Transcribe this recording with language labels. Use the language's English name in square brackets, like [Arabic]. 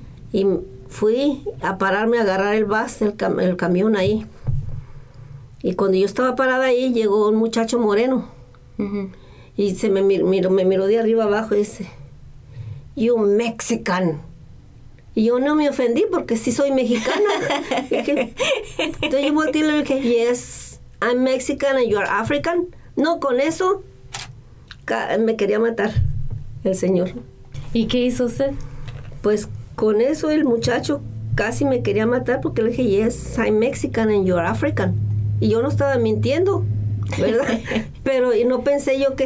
[Spanish] Y fui a pararme a agarrar el bus, el camión ahí. Y cuando yo estaba parada ahí, llegó un muchacho moreno. Uh-huh. Y se me miró de arriba abajo y dice, [English] "You Mexican." [Spanish] Y yo no me ofendí porque sí soy mexicana. Entonces yo volteé y le dije, [English] "Yes, I'm Mexican and you are African." [Spanish] No, con eso me quería matar el señor. ¿Y qué hizo usted? Pues con eso el muchacho casi me quería matar, porque le dije, [English] "Yes, I'm Mexican and you are African." [Spanish] Y yo no estaba mintiendo, ¿verdad? Pero y no pensé yo que